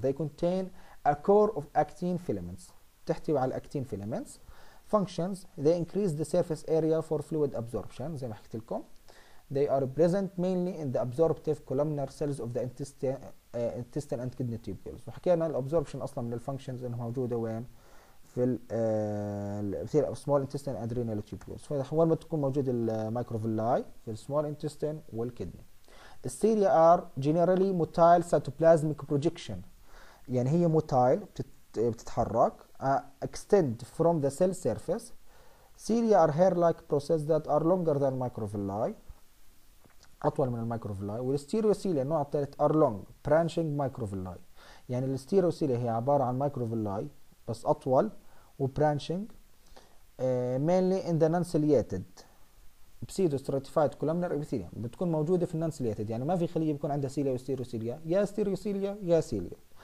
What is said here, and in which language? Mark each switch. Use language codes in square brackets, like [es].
[en] They contain a core of actin filaments. [ar] تحتوي على [en] actin filaments. Functions. They increase the surface area for fluid absorption. [ar] زي ما حكيت لكم. [en] They are present mainly in the absorptive columnar cells of the intestine, intestine and kidney tubules. [ar] وحكينا الabsorption أصلا من الfunctions إنها موجودة وين؟ في الـ [en] small intestine and adrenal tubules. [ar] فوين ما تكون موجود الميكروفيلاي؟ في small intestine والكدني. [en] Cilia are generally motile cytoplasmic projection. [ar] يعني هي [en] motile [ar] بتتحرك. [en] Extend from the cell surface. Cilia are hair-like process that are longer than microvilli. [ar] أطول من الميكروفيلاي. والستيروسيليا النوع الثالث [en] are long branching microvilli. [ar] يعني الستيروسيليا هي عبارة عن microvilli بس أطول وbranching. [en] Mainly in the non-ciliated. [ar] بسيدو ستراتيفايد كولومنر ابيثيليوم، بتكون موجوده في النانسليتد، يعني ما في خليه بيكون عندها سيليا وستيروسيليا، يا ستيروسيليا يا سيليا.